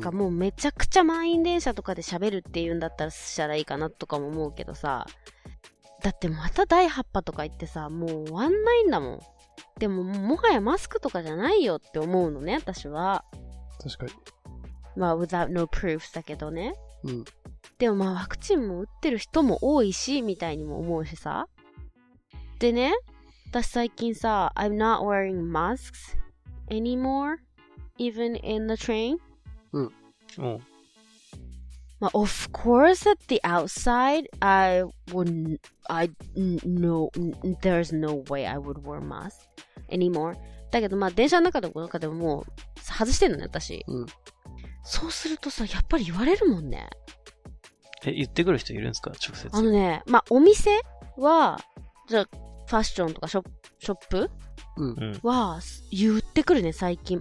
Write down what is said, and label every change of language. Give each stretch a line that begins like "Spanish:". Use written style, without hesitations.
Japanese: なんかもうめちゃくちゃ満員電車とかで喋るっていうんだったらしたらいいかなとかも思うけどさ、だってまた第8波とか言ってさ、もう終わんないんだもん。でももはやマスクとかじゃないよって思うのね、私は。確かに。まあ、
English: without no proofs
Japanese: だけどね。うん。でもまあ、ワクチンも打ってる人も多いし、みたいにも思うしさ。でね、私最近さ、
English: I'm not wearing masks anymore, even in the train.
Japanese: うん。うん。
English: まあ、of course at the outside, I wouldn't, I, no, there's no way I would wear mask anymore.
Japanese: だけどまあ、電車の中とかでももう、外してんのね、私。うん。そうするとさ、やっぱり言われるもんね。え、言ってくる人いるんですか、直接。あのね、まあお店はじゃあファッションとかショップ、うん、は言ってくるね、最近。